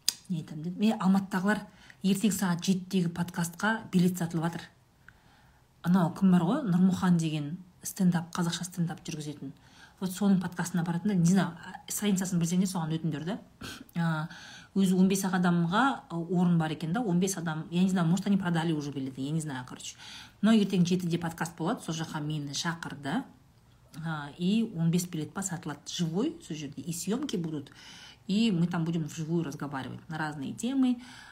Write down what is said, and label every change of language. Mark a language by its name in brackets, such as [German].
[Kazakh] Не айтам дедім? Мен Алматыдағылар ертең сағат 7-дегі подкастқа билет сатылып атыр. Анау кім бар ғой? Нұрмұхан деген стендап, қазақша стендап жүргізетін. Вот соның подкастына баратында, [Russian] не знаю, [Kazakh] сайынсасын білсеңдер, соған өтіндер де. Өзі 15 адамға орын бар екен да, 15 адам, [Russian] я не знаю, может они продали уже билеты, я не знаю, короче. [Kazakh] Но ертең 7-де подкаст болады, сол жаққа мені шақырды. И 15 билет па сатылады живой, сол жерде, [Russian] и съемки будут. И мы там будем вживую разговаривать на разные темы.